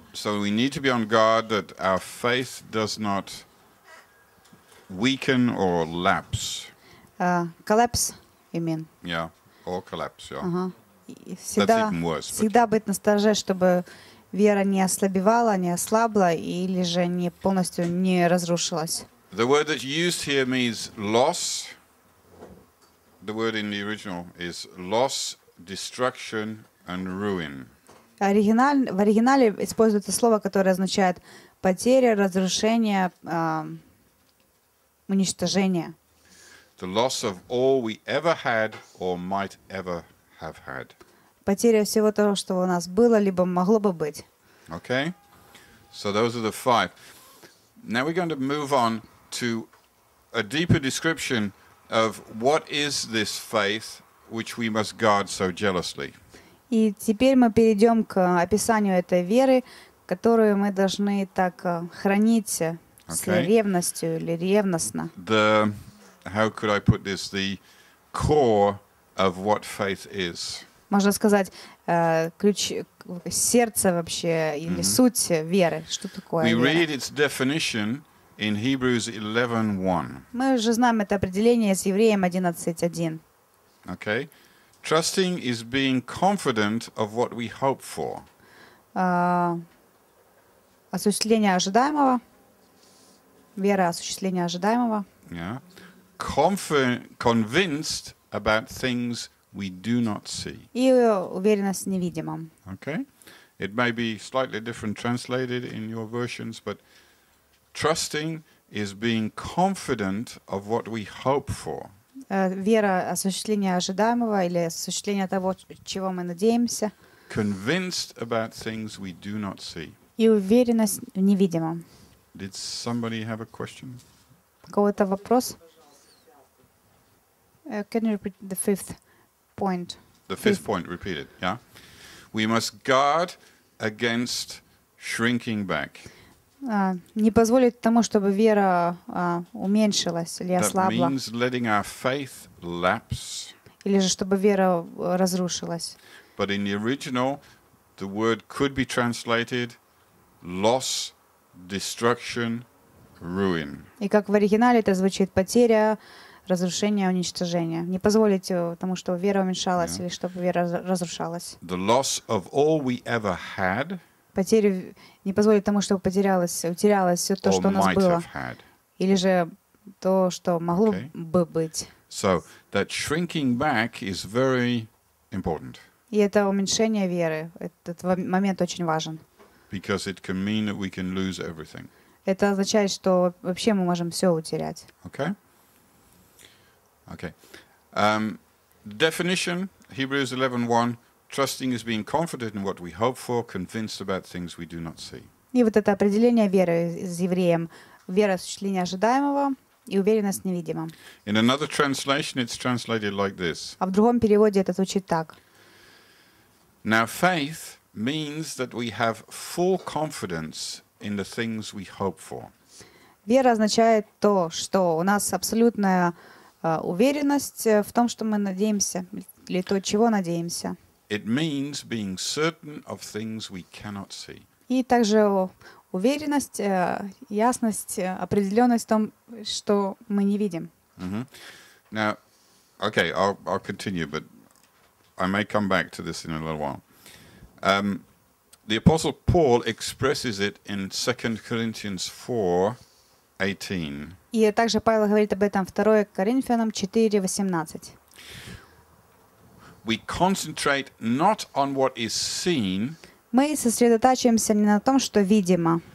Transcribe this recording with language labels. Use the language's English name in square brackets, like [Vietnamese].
[English] So we need to be on guard that our faith does not weaken or lapse. Collapse, you mean? Yeah, or collapse, yeah. [Russian] Всегда, [English] that's even worse. [Russian] Всегда быть настороже, чтобы вера не ослабевала, не ослабла, или же не полностью не разрушилась. [English] The word that's used here means loss. The word in the original is loss, destruction, and ruin. [Russian] В оригинале используется слово, которое означает потеря, разрушение, уничтожение. [English] The loss of all we ever had or might ever have had. [Russian] Потеря всего того, что у нас было, либо могло бы быть. [English] Okay. So those are the five. Now we're going to move on to a deeper description of what is this faith which we must guard so jealously. [Russian] И теперь мы перейдем к описанию этой веры, которую мы должны так хранить с ревностью или ревностно. [English] The, how could I put this, the core of what faith is. [Russian] Можно сказать, ключ, сердце вообще или суть веры. Что такое [English] we [Russian] вера? [English] Read its definition in Hebrews 11:1. [Russian] Мы же знаем это определение из Евреям 11:1. [English] Okay. Trusting is being confident of what we hope for. [Russian] Осуществление ожидаемого. Вера осуществления ожидаемого. [English] Yeah. Convinced about things we do not see. [Russian] И уверенность в невидимом. [English] Okay. It may be slightly different translated in your versions, but trusting is being confident of what we hope for. [Russian] Вера осуществления ожидаемого или осуществления того, чего мы надеемся. [English] Convinced about things we do not see. [Russian] И уверенность в невидимом. [English] Did somebody have a question? [Russian] Какой-то вопрос? [English] Can you repeat the fifth point? The fifth point, repeat it, yeah? We must guard against shrinking back. [Russian] Не позволит тому, чтобы вера уменьшилась или ослабла. [English] That means letting our faith lapse. [Russian] Или же, чтобы вера разрушилась. [English] But in the original, the word could be translated loss, destruction, ruin. [Russian] И как в оригинале это звучит, потеря, разрушение, уничтожение. Не позволить тому, чтобы вера уменьшалась или чтобы вера разрушалась. [English] The loss of all we ever had. [Russian] Потери не позволит тому, чтобы потерялось, утерялось все то, что у нас было. Или же то, что могло бы быть. [English] So that shrinking back is very important. [Russian] И это уменьшение веры, этот момент очень важен. [English] Because it can mean that we can lose everything. [Russian] Это означает, что вообще мы можем все утерять. [English] Okay. Okay. Definition, Hebrews 11:1. Trusting is being confident in what we hope for, convinced about things we do not see. [Russian] И вот это определение веры из Евреям. Вера осуществления ожидаемого и уверенность в невидимом. [English] In another translation, it's translated like this. [Russian] А в другом переводе это звучит так. [English] Now faith means that we have full confidence in the things we hope for. [Russian] Вера означает то, что у нас абсолютная уверенность в том, что мы надеемся, или то, чего надеемся. [English] It means being certain of things we cannot see. [Russian] И также уверенность, ясность, определенность в том, что мы не видим. Mm-hmm. [English] Now, okay, I'll continue, but I may come back to this in a little while. The Apostle Paul expresses it in 2 Corinthians 4:18. [Russian] И также Павел говорит об этом 2 Коринфянам 4:18. [English] We concentrate not on what is seen. [Russian] Мы сосредотачиваемся не на том, что видимо.